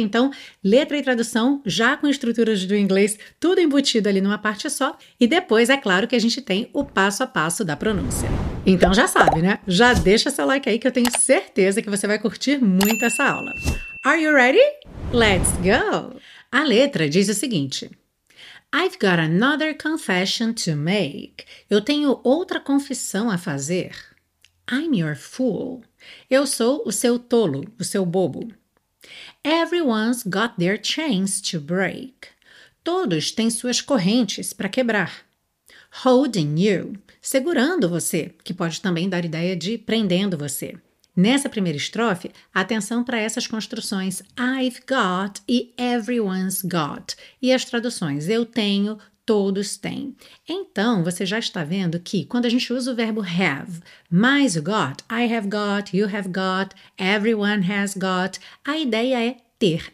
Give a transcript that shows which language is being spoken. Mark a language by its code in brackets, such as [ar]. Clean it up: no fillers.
[pt] Então, letra e tradução, já com estruturas do inglês, tudo embutido ali numa parte só. E depois, é claro, que a gente tem o passo a passo da pronúncia. Então já sabe, né? Já deixa seu like aí que eu tenho certeza que você vai curtir muito essa aula. [en] Are you ready? Let's go! [pt] A letra diz o seguinte. [en] I've got another confession to make. [pt] Eu tenho outra confissão a fazer. [en] I'm your fool. [pt] Eu sou o seu tolo, o seu bobo. [en] Everyone's got their chains to break. [pt] Todos têm suas correntes para quebrar. [en] Holding you. [pt] Segurando você, que pode também dar ideia de prendendo você. Nessa primeira estrofe, atenção para essas construções [en] I've got [pt] e [en] everyone's got. [pt] E as traduções eu tenho, todos têm. Então, você já está vendo que quando a gente usa o verbo have, mais o got, I have got, you have got, everyone has got, a ideia é ter.